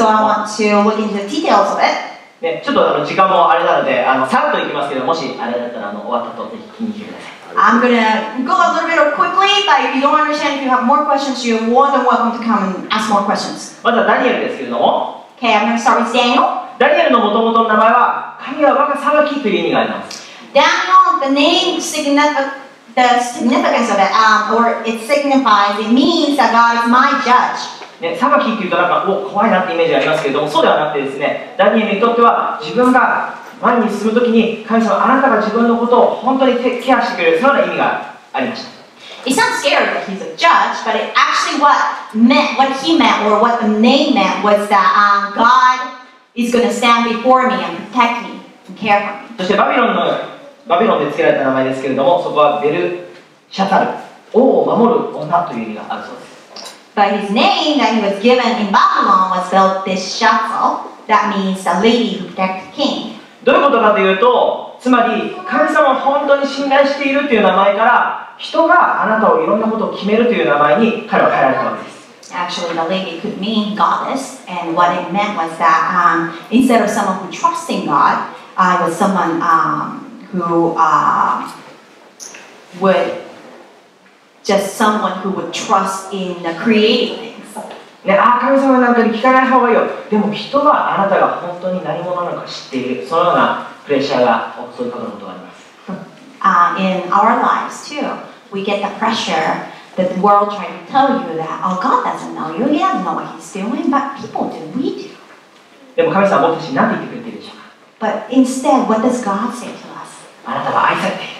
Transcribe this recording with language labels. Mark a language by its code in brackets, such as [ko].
[en] So I want to look into the details of it. [ja] ね、ちょっと時間もあれなので、さらっといきますけど、もしあれだったら終わったとぜひ聞いてください。 [en] I'm gonna go a little bit quickly, but if you don't understand, if you have more questions, you're more than welcome to come and ask more questions. [ja] まずはダニエルですけれども。 [en] Okay, I'm gonna start with Daniel. [ja] ダニエルの元々の名前は、神は我が裁きという意味があります。 [en] Daniel, the name, the significance of it, or it signifies, it means that God is my judge. [ja] ね、裁きというとなんか、お、怖いなってイメージがありますけれども、そうではなくてですね、ダニエルにとっては自分が前に進むときに神様あなたが自分のことを本当にケアしてくれるそのような意味がありました。 [en] It's not scary that he's a judge, but it actually what he meant or what the name meant was that God is going to stand before me and protect me and care for me. [ja] そしてバビロンで付けられた名前ですけれども、そこはベルシャタル、王を守る女という意味があるそうです。 [en] But his name that he was given in Babylon was Belteshazzar. That means the lady who protects the king. [ja] どういうことかというと、つまり神様を本当に信頼しているという名前から人があなたをいろんなことを決めるという名前に彼は変えられたわけです。 [en] Actually, the lady could mean goddess, and what it meant was that instead of someone who trusts in God, it was someone someone who would trust in the creative things. [ja] ね、あ、神様なんかに聞かない方がいいよ。でも人はあなたが本当に何者なのか知っている。そのようなプレッシャーが襲いかかることがあります。 [en] In our lives too, we get the pressure that the world tries to tell you that, oh, God doesn't know you. He doesn't know what he's doing, but people do. We do. [ja] でも神様は私に何て言ってくれているでしょうか。 [en] But instead, what does God say to us?